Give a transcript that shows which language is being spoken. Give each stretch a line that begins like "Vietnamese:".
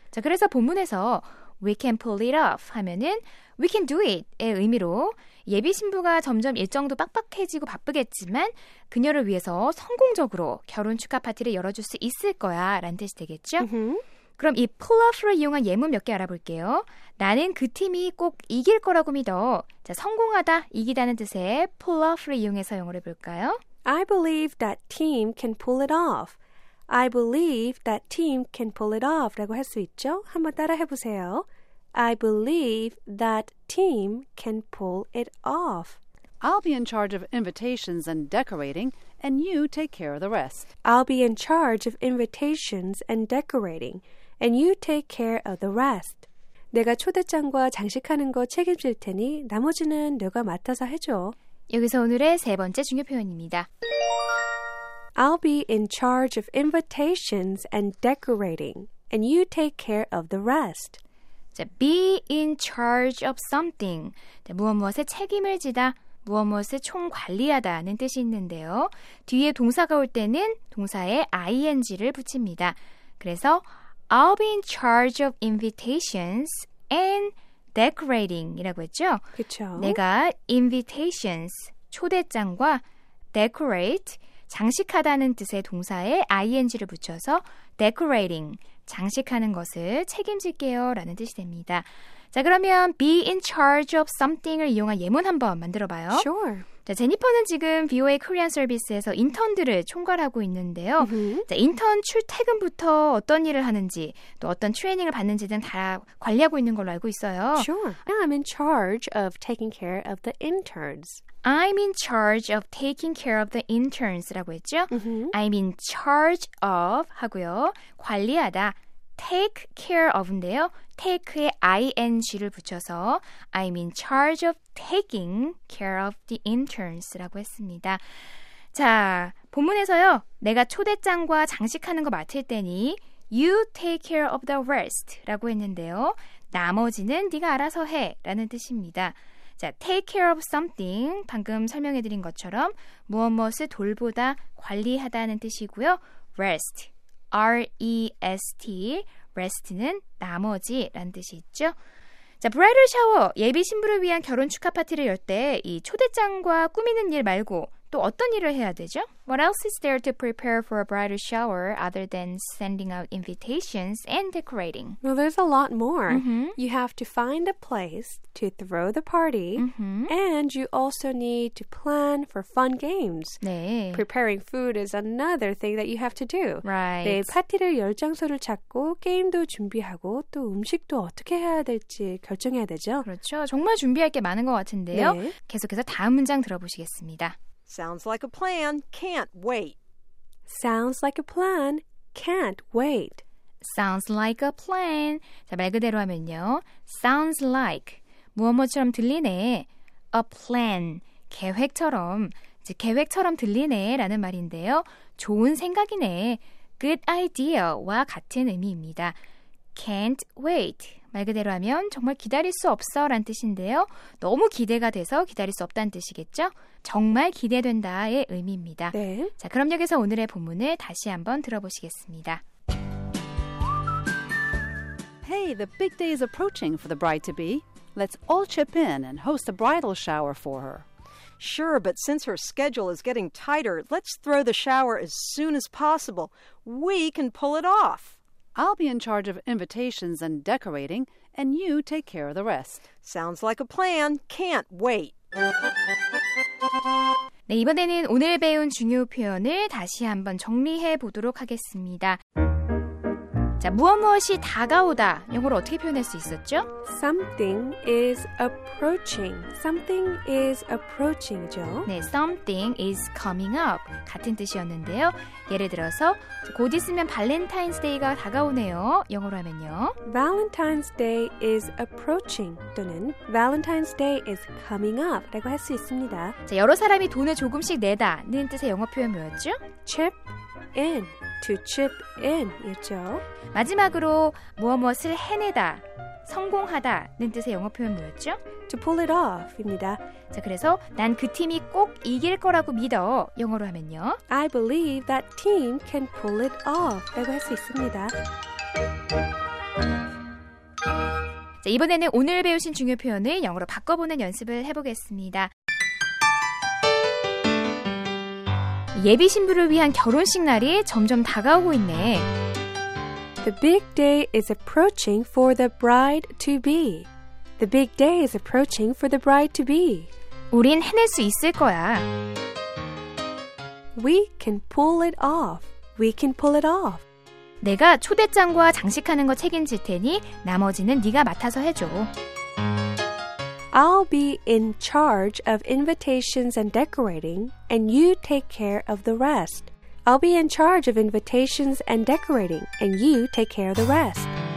Korean: 자, 그래서 본문에서
English: We can pull it off
Korean: 하면은
English: We can do it
Korean: 의 의미로 예비 신부가 점점 일정도 빡빡해지고 바쁘겠지만 그녀를 위해서 성공적으로 결혼 축하 파티를 열어줄 수 있을 거야 라는 뜻이 되겠죠? Mm-hmm. 그럼 이 pull off를 이용한 예문 몇 개 알아볼게요. 나는 그 팀이 꼭 이길 거라고 믿어. 자, 성공하다, 이기다는 뜻의 pull off를 이용해서 영어로 해볼까요?
English: I believe that team can pull it off. I believe that team can pull it off
Korean: 라고 할 수 있죠? 한번 따라해보세요.
English: I believe that team can pull it off. I'll be in charge of invitations and decorating, and you take care of the rest. I'll be in charge of invitations and decorating, and you take care of the rest.
Korean: 내가 초대장과 장식하는 거 책임질 테니 나머지는 너가 맡아서 해줘. 여기서 오늘의 세 번째 중요 표현입니다.
English: I'll be in charge of invitations and decorating, and you take care of the rest. 자, be in charge of something.
Korean: 네, 무엇무엇에 책임을 지다, 무엇무엇에 총관리하다는 뜻이 있는데요. 뒤에 동사가 올 때는 동사에 ing를 붙입니다. 그래서
English: I'll be in charge of invitations and decorating
Korean: 이라고 했죠? 그쵸. 내가 invitations, 초대장과 decorate, 장식하다는 뜻의 동사에 ing를 붙여서 decorating, 장식하는 것을 책임질게요 라는 뜻이 됩니다. 자, 그러면 be in charge of something을 이용한 예문 한번 만들어봐요.
English: Sure.
Korean: 자, 제니퍼는 지금 VOA 코리안 서비스에서 인턴들을 총괄하고 있는데요. Mm-hmm. 자, 인턴 출퇴근부터 어떤 일을 하는지, 또 어떤 트레이닝을 받는지 등 다 관리하고 있는 걸로 알고 있어요.
English: Sure. I'm in charge of taking care of the interns. I'm in charge of taking care of the interns라고
Korean: 했죠. Mm-hmm.
English: I'm in charge of
Korean: 하고요. 관리하다.
English: Take care of인데요. Take에 ing를
Korean: 붙여서
English: I'm in charge of taking care of the interns라고
Korean: 했습니다. 자, 본문에서요. 내가 초대장과 장식하는 거 맡을 테니
English: You take care of the rest
Korean: 라고 했는데요. 나머지는 네가 알아서 해 라는 뜻입니다. 자, take care of something 방금 설명해드린 것처럼 무엇무엇을 돌보다 관리하다는 뜻이고요. Rest. R-E-S-T, rest는 나머지란 뜻이 있죠. 자, 브라이덜 샤워, 예비 신부를 위한 결혼 축하 파티를 열 때 이 초대장과 꾸미는 일 말고 또 어떤 일을 해야 되죠?
English: What else is there to prepare for a bridal shower other than sending out invitations and decorating? Well, there's a lot more. Mm-hmm. You have to find a place to throw the party, mm-hmm. and you also need to plan for fun games.
Korean: 네.
English: Preparing food is another thing that you have to do. Right.
Korean: 네, 파티를 열 장소를 찾고 게임도 준비하고 또 음식도 어떻게 해야 될지 결정해야 되죠. 그렇죠. 정말 준비할 게 많은 것 같은데요. 네. 계속해서 다음 문장 들어보시겠습니다.
English: Sounds like a plan. Can't wait. Sounds like a plan. Can't wait. Sounds like a plan. 자,
Korean: 말 그대로 하면요.
English: Sounds like.
Korean: 무엇처럼 들리네. A plan. 계획처럼. 즉, 계획처럼 들리네 라는 말인데요. 좋은 생각이네. Good idea와 같은 의미입니다.
English: Can't wait.
Korean: 말 그대로 하면 정말 기다릴 수 없어 라는 뜻인데요. 너무 기대가 돼서 기다릴 수 없다는 뜻이겠죠? 정말 기대된다의 의미입니다. 네. 자, 그럼 여기서 오늘의 본문을 다시 한번 들어보시겠습니다.
English: Hey, the big day is approaching for the bride-to-be. Let's all chip in and host a bridal shower for her. Sure, but since her schedule is getting tighter, let's throw the shower as soon as possible. We can pull it off. I'll be in charge of invitations and decorating, and you take care of the rest. Sounds like a plan. Can't wait.
Korean: 네, 이번에는 오늘 배운 중요 표현을 다시 한번 정리해 보도록 하겠습니다. 자, 무엇무엇이 다가오다. 영어로 어떻게 표현할 수 있었죠?
English: Something is approaching. Something is approaching이죠. 네, something is coming up.
Korean: 같은 뜻이었는데요. 예를 들어서 곧 있으면 발렌타인스데이가 다가오네요. 영어로 하면요.
English: Valentine's Day is approaching. 또는 Valentine's Day is coming up.
Korean: 라고 할 수 있습니다. 자, 여러 사람이 돈을 조금씩 내다는 뜻의 영어 표현 뭐였죠?
English: Chip in. To chip in, 있죠?
Korean: 마지막으로 무엇무엇을 해내다, 성공하다는 뜻의 영어 표현 뭐였죠?
English: To pull it off입니다.
Korean: 자, 그래서 난 그 팀이 꼭 이길 거라고 믿어. 영어로 하면요.
English: I believe that team can pull it off.
Korean: 라고 할 수 있습니다. 자, 이번에는 오늘 배우신 중요 표현을 영어로 바꿔보는 연습을 해보겠습니다. 예비 신부를 위한 결혼식 날이 점점 다가오고 있네.
English: The big day is approaching for the bride to be. The big day is approaching for the bride to be.
Korean: 우린 해낼 수 있을 거야.
English: We can pull it off. We can pull it off.
Korean: 내가 초대장과 장식하는 거 책임질 테니 나머지는 네가 맡아서 해줘.
English: I'll be in charge of invitations and decorating, and you take care of the rest. I'll be in charge of invitations and decorating, and you take care of the rest.